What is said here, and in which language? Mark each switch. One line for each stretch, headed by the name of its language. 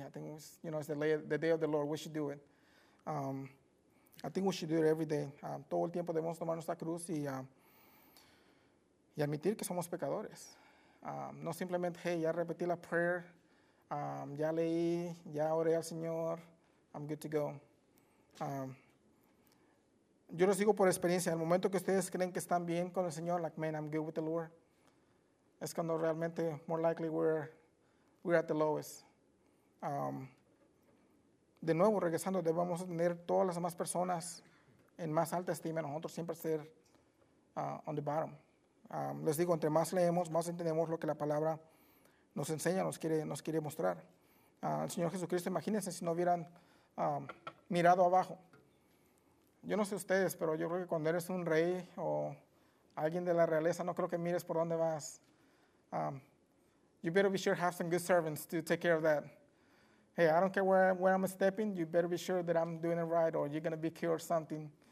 English: I think it's, you know, it's the day of the Lord. We should do it. I think we should do it every day.
Spanish: Todo el tiempo debemos tomar nuestra cruz y admitir que somos pecadores. No simplemente, hey, ya repetí la prayer. Ya leí, ya oré al Señor.
English: I'm good to go.
Spanish: Yo lo sigo por experiencia. El momento que ustedes creen que están bien con el Señor, like,
English: man, I'm good with the Lord.
Spanish: Es cuando realmente,
English: more likely, we're at the lowest.
Spanish: De nuevo, regresando, debemos tener todas las demás personas en más alta estima. Nosotros siempre ser
English: on the bottom.
Spanish: Les digo, entre más leemos, más entendemos lo que la palabra nos enseña, nos quiere mostrar. El Señor Jesucristo, imagínense si no hubieran mirado abajo. Yo no sé ustedes, pero yo creo que cuando eres un rey o alguien de la realeza, no creo que mires por dónde vas.
English: You better be sure have some good servants to take care of that. Hey, I don't care where I'm stepping. You better be sure that I'm doing it right or you're going to be killed or something.